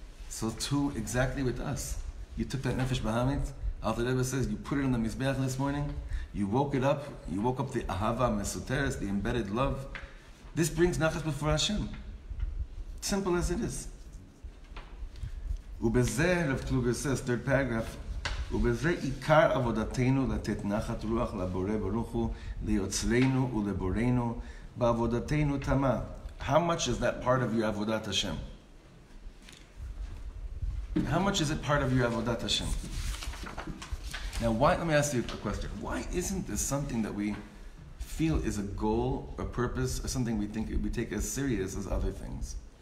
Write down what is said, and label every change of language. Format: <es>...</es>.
<en>So too, exactly with us, you took that nefesh bahamit. Alter Rebbe says you put it on the mizbeach this morning. You woke it up. You woke up the ahava mesuteres, the embedded love. This brings nachas before Hashem. Simple as it is. Ubezeh Rav Kluger says, third paragraph.</en> <he>ובזה עיקר עבודתנו לתת נחת רוח לבורא ברוך הוא, ליוצרנו ולבורנו, בעבודתנו תמה.</he> <en>How much is that part of your עבודת השם? How much is it part of your עבודת השם? Now why, let me ask you a question. Why isn't this something that we feel is a goal, a purpose, or something we think we take as serious as other things?</en>